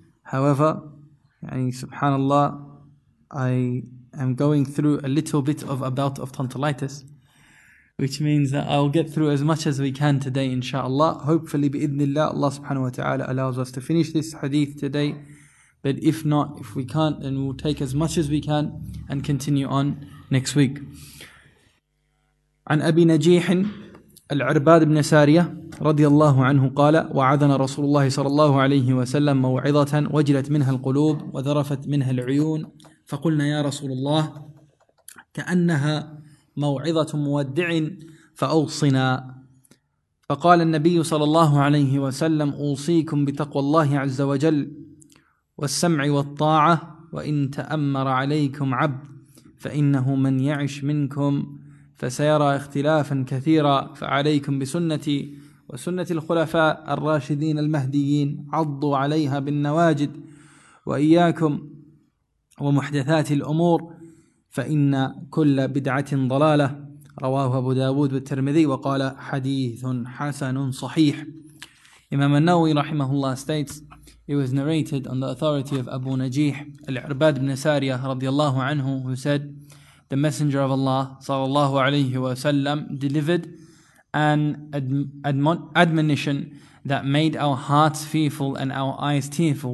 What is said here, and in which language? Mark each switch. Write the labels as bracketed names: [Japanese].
[English] However, subhanallah, I am going through a little bit of a bout of tonsillitis, which means that I'll get through as much as we can today, inshallah. Hopefully, bi-idhnillah, Allah subhanahu wa ta'ala allows us to finish this hadith today. But if not, if we can't, then we'll take as much as we can and continue on next week. [Arabic] عن أبي نجيح العرباد بن سارية رضي الله عنه قال وعذنا رسول الله صلى الله عليه وسلم موعظة وجلت منها القلوب وذرفت منها العيون فقلنا يا رسول الله كأنها موعظة مودع فأوصنا فقال النبي صلى الله عليه وسلم أوصيكم بتقوى الله عز وجل والسمع والطاعة وإن تأمر عليكم عبد فإنه من يعش منكم فسيرى اختلافا كثيرا فعليكم بسنتي وسنة الخلفاء الراشدين المهديين عضوا عليها بالنواجد وإياكم ومحدثات الأمور فإن كل بدعة ضلالة رواه أبو داود والترمذي وقال حديث حسن صحيح. إمام النووي رحمه الله [English] states, it was narrated on the authority of Abu Najih al-Irbad ibn Sariyah radiyallahu anhu, who said, the Messenger of Allah sallallahu alayhi wa sallam delivered an admonition that made our hearts fearful and our eyes tearful.